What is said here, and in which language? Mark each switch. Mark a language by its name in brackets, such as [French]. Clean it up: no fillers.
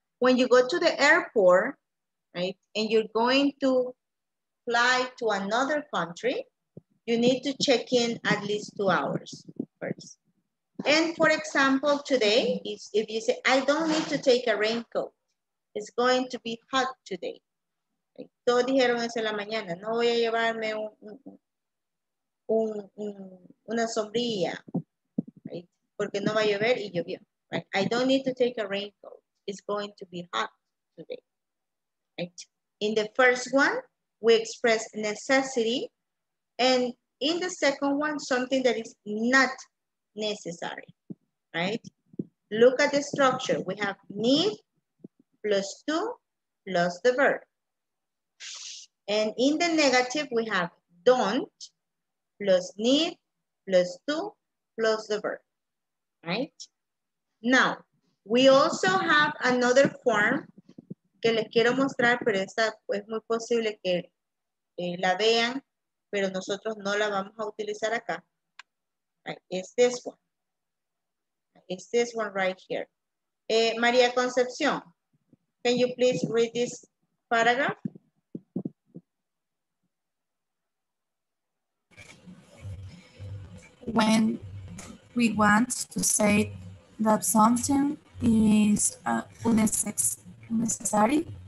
[English] When you go to the airport, right, and you're going to fly to another country, you need to check in at least 2 hours first. And for example, today, if you say, I don't need to take a raincoat, it's going to be hot today. [Spanish] Todos dijeron eso en la mañana, no voy a llevarme una sombrilla, right? Porque no va a llover y llovió. Right? [English] I don't need to take a raincoat, it's going to be hot today. Right. In the first one, we express necessity. And in the second one, something that is not necessary, right? Look at the structure. We have need plus to plus the verb. And in the negative, we have don't plus need plus to plus the verb, right? Now, we also have another form [Spanish] que les quiero mostrar, pero esta es muy posible que la vean, pero nosotros no la vamos a utilizar acá. [English] Es this one. It's this one right here. María Concepción, can you please read this paragraph? When we want to say that something is unnecessary.